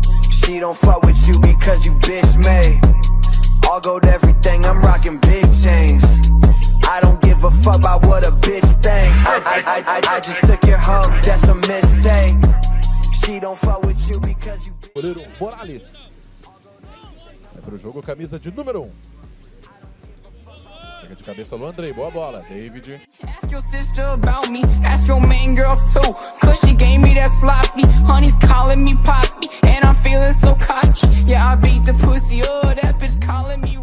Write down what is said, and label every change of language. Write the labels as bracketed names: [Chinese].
[English] She don't fuck with you because you bitch made. All gold everything, I'm rocking big chains. I don't give a fuck about what a bitch think. I just took your hoe, that's a mistake. She don't fuck with you because you. [Portuguese] Goleiro Morales. Vai pro jogo, camisa de número 1. Pega de cabeça, Luan Andrei. Boa bola, David. [English] Ask your sister about me. Ask your main girl too. Cause she gave me that sloppy. Honey's calling me poppy. And I'm feeling so cocky. Yeah, I beat the pussy. Oh, that bitch calling me rock.